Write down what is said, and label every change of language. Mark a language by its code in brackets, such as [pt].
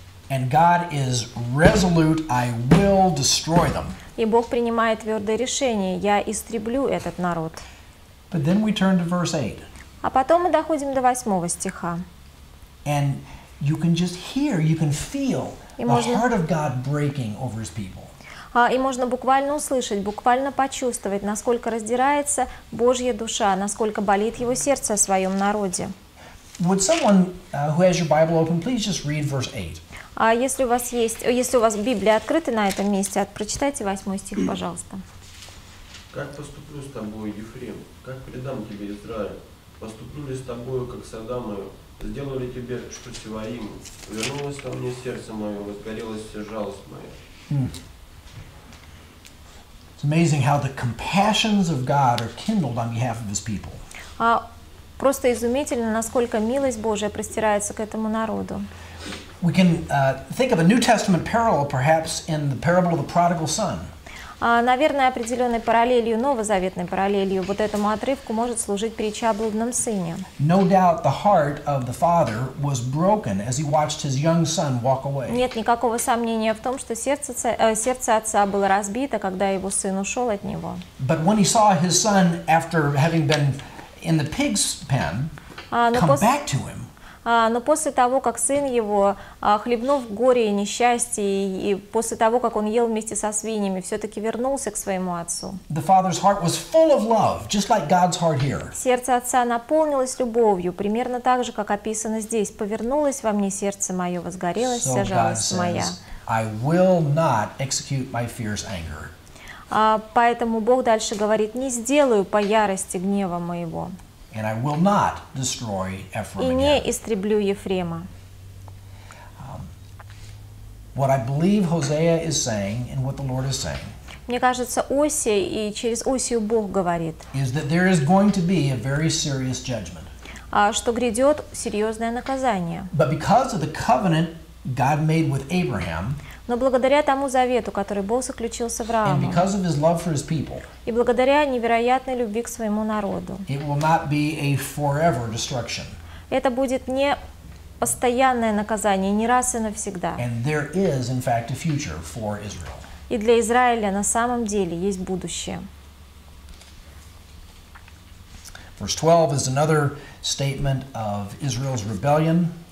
[en] And God is resolute, I will destroy them. [ru] И Бог принимает твердое решение, я истреблю этот народ. [en] But then we turn to verse 8. [ru] А потом мы доходим до 8 стиха. [en] And you can just hear, you can feel the heart of God breaking over His people. [ru] И можно буквально услышать, буквально почувствовать, насколько раздирается Божья душа, насколько болит Его сердце о своем народе. [en] Would someone who has your Bible open, please just read verse 8. [ru] А если у вас есть, если у вас Библия открыта на этом месте, прочитайте 8 стих, пожалуйста. Как поступлю с тобой, Ефрем? Как предам тебе Израиль? Поступлю ли с тобою, как с Адамою? Сделаю ли тебе, что Севаим? Вернулось ко мне сердце мое, возгорелась вся жалость моя. [en] It's amazing how the compassions of God are kindled on behalf of His people. [ru] Просто изумительно, насколько милость Божия простирается к этому народу. [en] We can think of a New Testament parallel, perhaps, in the parable of the prodigal son. [ru] Наверное, определенной параллелью, новозаветной параллелью, вот этому отрывку может служить притча о блудном сыне. [en] No doubt the heart of the father was broken as he watched his young son walk away. [ru] Нет никакого сомнения в том, что сердце отца было разбито, когда его сын ушел от него. [en] But when he saw his son after having been in the pig's pen, come back to him. [ru] Но после того, как сын его, хлебнув горе и несчастье, и после того, как он ел вместе со свиньями, все-таки вернулся к своему отцу. [en] The father's heart was full of love, just like God's heart here. [ru] Сердце отца наполнилось любовью, примерно так же, как описано здесь. Повернулось во мне сердце мое, возгорелась вся жалость моя. [en] I will not execute my fierce anger. [ru] Поэтому Бог дальше говорит, не сделаю по ярости гнева моего. [en] And I will not destroy Ephraim again. [ru] И не истреблю Ефрема. [en] What I believe Hosea is saying and what the Lord is saying. [ru] Мне кажется, Осия и через Осию Бог говорит. [en] Is that there is going to be a very serious judgment. [ru] Что грядет серьезное наказание. [en] But because of the covenant God made with Abraham, [ru] но благодаря тому завету, который Бог заключил с Авраамом, [en] and because of his love for his people, [ru] и благодаря невероятной любви к своему народу, [en] it will not be a forever destruction. [ru] Это будет не постоянное наказание, не раз и навсегда. [en] And there is, in fact, a future for Israel. [ru] И для Израиля на самом деле есть будущее. [en] Verse 12 is another statement of Israel's rebellion.